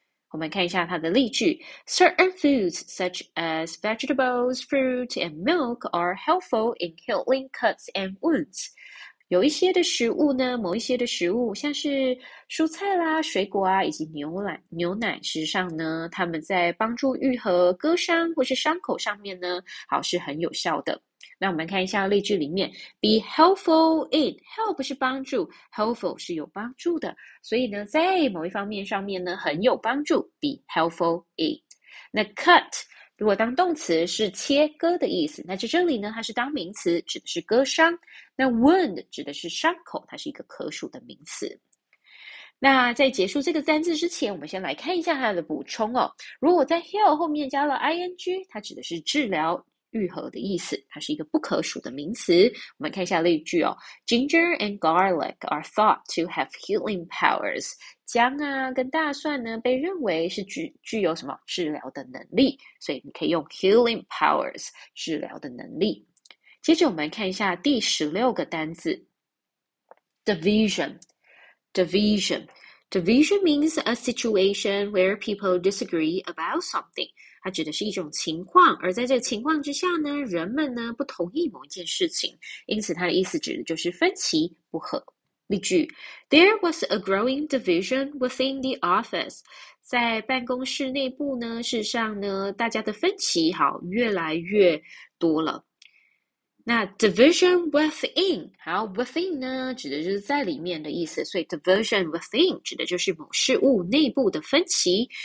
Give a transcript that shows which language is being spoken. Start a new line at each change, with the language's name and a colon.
Chinese: 我们看一下它的例句：
English: Certain foods such as vegetables, fruit, and milk are helpful in healing cuts and wounds。
Chinese: 有一些的食物呢，某一些的食物，像是蔬菜啦、水果啊，以及牛奶，事实上呢，它们在帮助愈合割伤或是伤口上面呢，好是很有效的。那我们看一下例句里面，
English: be helpful in
Chinese: help 是帮助，helpful 是有帮助的，所以呢，在某一方面上面呢很有帮助，be helpful in。那 cut 如果当动词是切割的意思，那在这里呢它是当名词，指的是割伤。那 wound 指的是伤口，它是一个可数的名词。那在结束这个单字之前，我们先来看一下它的补充哦。如果在 heal 后面加了 ing，它指的是治疗。愈合的意思，它是一个不可数的名词。我们看一下例句哦：
English: Ginger and garlic are thought to have healing powers。
Chinese: 姜啊跟大蒜呢，被认为是具有什么治疗的能力，所以你可以用 healing powers 治疗的能力。接着我们看一下第16个单字：
English: division。division means a situation where people disagree about something。
Chinese: 它指的是一种情况，而在这个情况之下呢，人们呢不同意某一件事情，因此它的意思指的就是分歧不合。例句：
English: There was a growing division within the office。
Chinese: 在办公室内部呢，事实上呢，大家的分歧好越来越多了。那 division within，好，within 呢，指的就是在里面的意思，所以 division within 指的就是某事物内部的分歧。